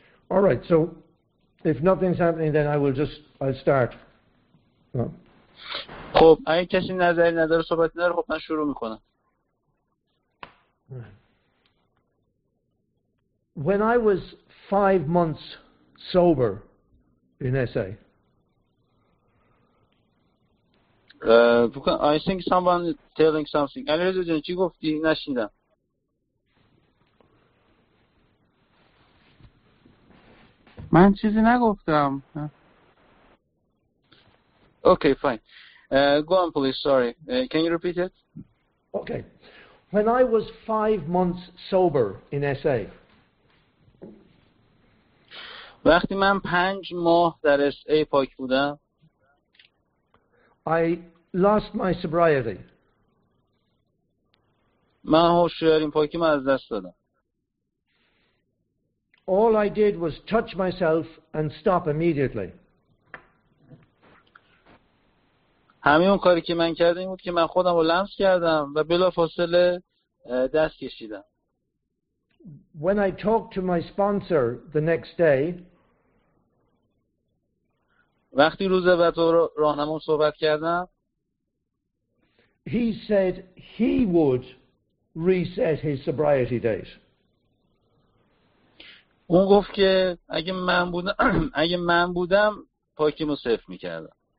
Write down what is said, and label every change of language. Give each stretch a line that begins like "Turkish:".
English: All right, so if nothing's happening, then I'll start.
Persian: خب اگه کسی نظری نداره صحبت نداره، خب من شروع میکنم.
English: When I was 5 months sober in SA. I think someone is telling something. I don't know what you said, I didn't hear it.
Persian: من چیزی نگفتم.
English: Okay, fine. Go on, please. Sorry. Can you repeat it? Okay. When I was 5 months sober in SA.
Persian: وقتی من 5 ماه در SA پاک بودم.
English: I lost my sobriety.
Persian: من هوشیاریم پاکیم از دست دادم.
English: All I did was touch myself and stop immediately.
Persian: همه اون کاری که من کردم این بود که من خودم رو لمس کردم و بلافاصله دست کشیدم.
English: When I talked to my sponsor the next day,
Persian: وقتی روز بعد با راهنمام صحبت کردم،
English: he said he would reset his sobriety date.
Persian: اون گفت که اگه من بودم پاکیمو صفر می‌کردم.